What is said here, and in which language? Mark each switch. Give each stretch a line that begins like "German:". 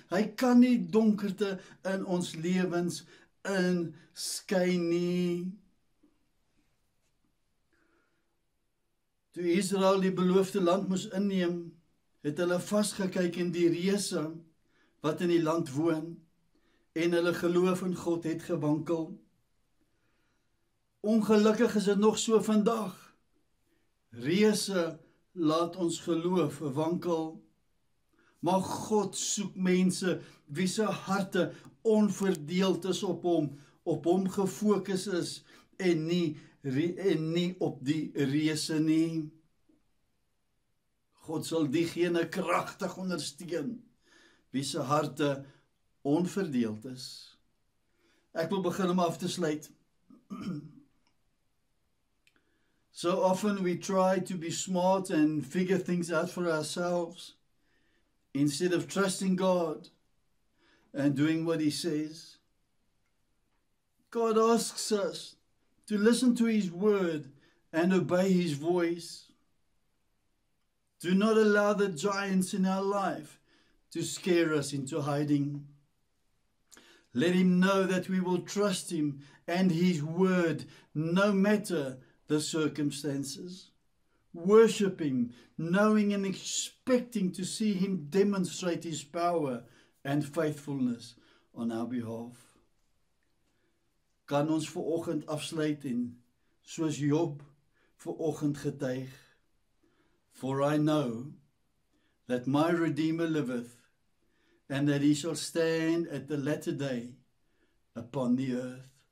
Afrikaans: Hy kan nie donkerte in ons lewens in skyn nie. Toe Israel die beloofde land moes inneem, het hulle vasgekyk in die reëse wat in die land woon. En hulle geloof in God het gewankel. Ongelukkig is het nog so vandag. Reëse laat ons geloof wankel. Maar God soek mense wie se harte onverdeeld is op hom gefokus is en nie op die reëse nie. God sal diegene kragtig ondersteun wie se harte onverdeeld is. Ek wil begin om af te sluit.
English: So often we try to be smart and figure things out for ourselves instead of trusting God and doing what he says. God asks us to listen to his word and obey his voice. Do not allow the giants in our life to scare us into hiding. Let him know that we will trust him and his word, no matter the circumstances. Worship him, knowing and expecting to see him demonstrate his power and faithfulness on our behalf.
Afrikaans: Kan ons vir oggend afsluit en soos Job vir oggend getuig.
English: For I know that my Redeemer liveth, and that he shall stand at the latter day upon the earth.